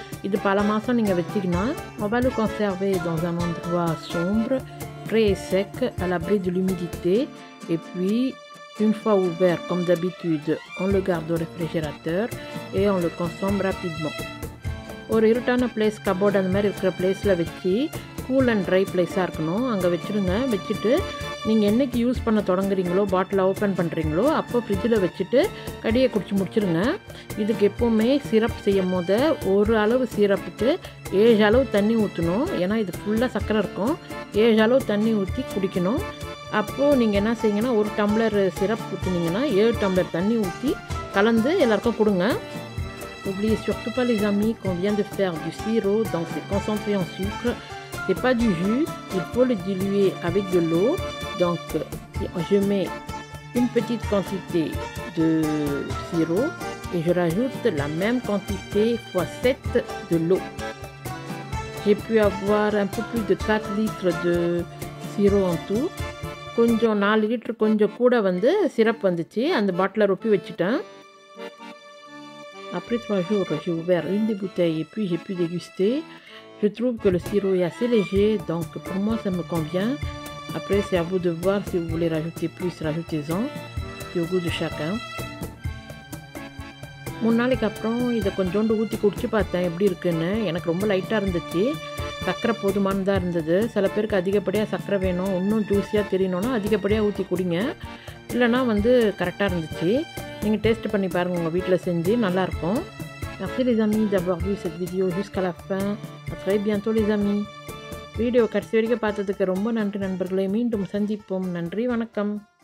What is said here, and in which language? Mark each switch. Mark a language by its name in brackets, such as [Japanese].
[Tamil] இது பல மாதம் நீங்கள் வச்சிங்கன்னா [French] on va le conserver dans un endroit sombre, frais et sec, à l'abri de l'humidité et puis une fois ouvert, comme d'habitude, on le garde au réfrigérateur et on le consomme rapidement. [Tamil] ஒரு இருட்டான place, cupboard அந்த மாதிரி இருக்கிற பிளேஸில் வச்சு cool and try பிளேஸாக இருக்கணும், அங்கே வச்சுருங்க. வச்சுட்டு நீங்கள் என்றைக்கு யூஸ் பண்ண தொடங்குறீங்களோ, பாட்டில் ஓப்பன் பண்ணுறீங்களோ, அப்போ ஃப்ரிட்ஜில் வச்சுட்டு கடியை குடிச்சு முடிச்சுருங்க. இதுக்கு எப்போவுமே சிரப் செய்யும் போது ஒரு அளவு சிரப்புக்கு 7 அளவு தண்ணி ஊற்றணும். ஏன்னா இது ஃபுல்லாக சக்கரை இருக்கும், 7 அளவு தண்ணி ஊற்றி குடிக்கணும். அப்போது நீங்கள் என்ன செய்யுங்கன்னா, ஒரு டம்ளர் சிரப் ஊற்றுனீங்கன்னா 7 டம்ளர் தண்ணி ஊற்றி கலந்து எல்லாருக்கும் கொடுங்க. [French] N'oubliez surtout pas les amis qu'on vient de faire du sirop, donc c'est concentré en sucre, c'est pas du jus, il faut le diluer avec de l'eau. Donc je mets une petite quantité de sirop et je rajoute la même quantité fois 7 de l'eau. J'ai pu avoir un peu plus de 4 litres de sirop en tout. [Tamil] கொஞ்சம் 4 litre கொஞ்சம் கூட வந்து syrup வந்துச்சு, அந்த பாட்டிலை ரொப்பி வச்சுட்டேன். [French] Après 3 jours, j'ai ouvert une des bouteilles et puis j'ai pu déguster. Je trouve que le sirop est assez léger, donc pour moi ça me convient. Après, c'est à vous de voir si vous voulez rajouter plus, rajoutez-en. C'est au goût de chacun. [Tamil] முன்னாளைக்கு அப்புறம் இதை கொஞ்சோண்டு ஊற்றி குடிச்சு பார்த்தேன் எப்படி இருக்குன்னு. எனக்கு ரொம்ப லைட்டாக இருந்துச்சு, சக்கரை போதுமானதாக இருந்தது. சில பேருக்கு அதிகப்படியாக சக்கரை வேணும், இன்னும் ஜூஸியாக தெரியணும்னா அதிகப்படியாக ஊற்றி குடிங்க, இல்லைனா வந்து கரெக்டாக இருந்துச்சு. நீங்கள் டேஸ்ட் பண்ணி பாருங்கள், உங்கள் வீட்டில் செஞ்சு நல்லாயிருக்கும். [French] Merci les amis d'avoir vu cette vidéo jusqu'à la fin. À très bientôt les amis. [Tamil] Video கடைசி வரைக்கும் பார்த்ததுக்கு ரொம்ப நன்றி நண்பர்களே. மீண்டும் சந்திப்போம். நன்றி, வணக்கம்.